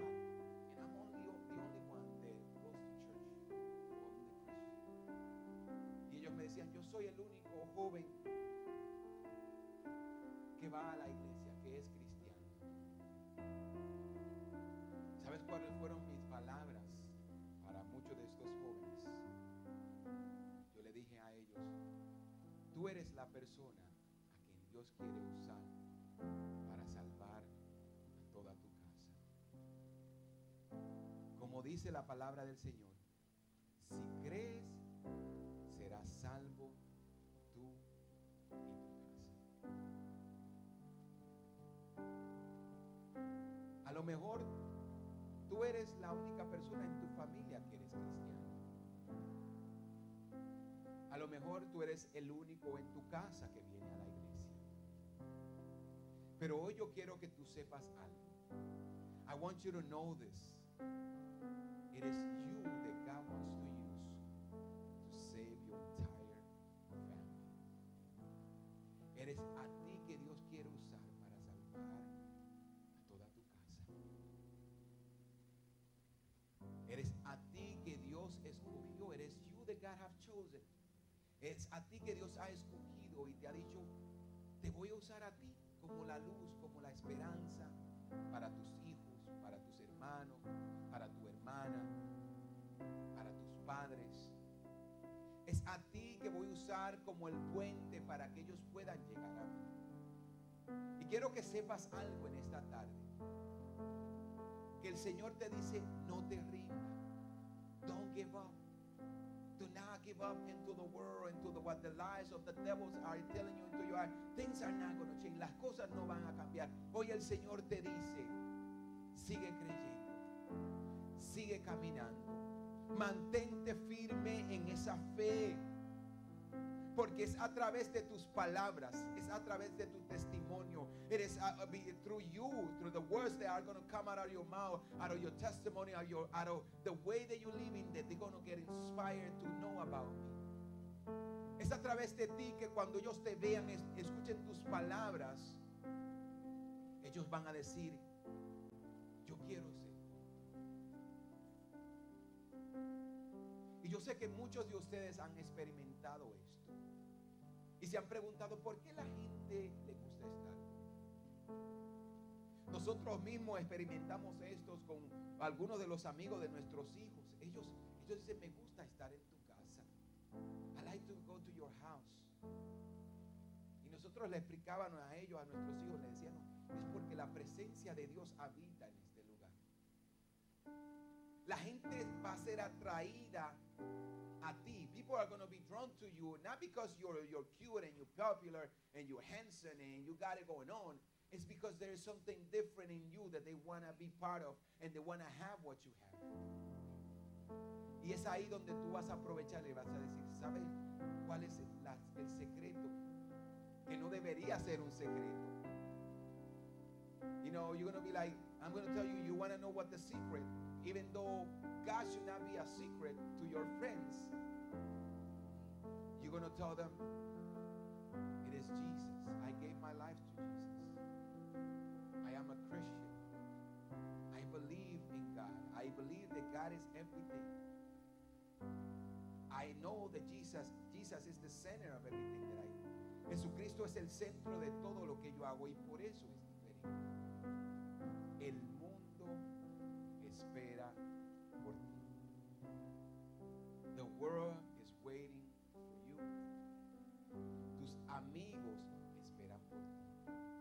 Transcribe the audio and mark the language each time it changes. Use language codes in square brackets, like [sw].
[en] And I'm the only one that goes to church. [es] Y ellos me decían, yo soy el único joven que va a la iglesia, que es cristiano. ¿Sabes cuáles fueron mis palabras para muchos de estos jóvenes? Yo le dije a ellos, tú eres la persona a quien Dios quiere usar para salvar a toda tu casa. Como dice la palabra del Señor, si crees, serás salvo tú y tu casa. A lo mejor tú eres la única persona en tu familia que eres cristiano. A lo mejor tú eres el único en tu casa que viene a la iglesia. Pero hoy yo quiero que tú sepas algo. [en] I want you to know this. It is you that God wants to use to save your entire family. [es] Eres a ti que Dios quiere usar para salvar a toda tu casa. Eres a ti que Dios escogió. Eres you that God have chosen. Es a ti que Dios ha escogido y te ha dicho, te voy a usar a ti como la luz, como la esperanza para tus hijos, para tus hermanos, para tu hermana, para tus padres. Es a ti que voy a usar como el puente para que ellos puedan llegar a mí. Y quiero que sepas algo en esta tarde. Que el Señor te dice, no te rindas. [en] Don't give up. Do not give up into the world, into what the lies of the devils are telling you into your heart. Things are not going to change. Las cosas no van a cambiar. Hoy el Señor te dice, sigue creyendo, sigue caminando, mantente firme en esa fe, porque es a través de tus palabras, es a través de tu testimonio, it is through you, through the words that are going to come out of your mouth, out of your testimony, out of the way that you live in, that they're going to get inspired to know about me. [es] Es a través de ti que cuando ellos te vean, escuchen tus palabras, ellos van a decir, yo quiero ser. Y yo sé que muchos de ustedes han experimentado esto. Y se han preguntado, ¿por qué la gente le gusta estar? Nosotros mismos experimentamos esto con algunos de los amigos de nuestros hijos. Ellos dicen, me gusta estar en tu casa. [en] I like to go to your house. [es] Y nosotros le explicábamos a ellos, a nuestros hijos, le decíamos, es porque la presencia de Dios habita en este lugar. La gente va a ser atraída a ti. [en] People are going to be drawn to you, not because you're cute and you're popular and you're handsome and you got it going on. It's because there is something different in you that they want to be part of and they want to have what you have. [es] Y es ahí donde tú vas a aprovechar y vas a decir, ¿sabes cuál es el secreto? Que no debería ser un secreto. [en] You know, you're going to be like, I'm going to tell you, you want to know what the secret, even though God should not be a secret to your friends. You're going to tell them, it is Jesus. I gave my life to Jesus. I am a Christian. I believe in God. I believe that God is everything. I know that Jesus is the center of everything that I do. [es] Jesucristo es el centro de todo lo que yo hago y por eso es diferente. El mundo espera por ti. [en] The world is waiting for you. [es] Tus amigos esperan por ti.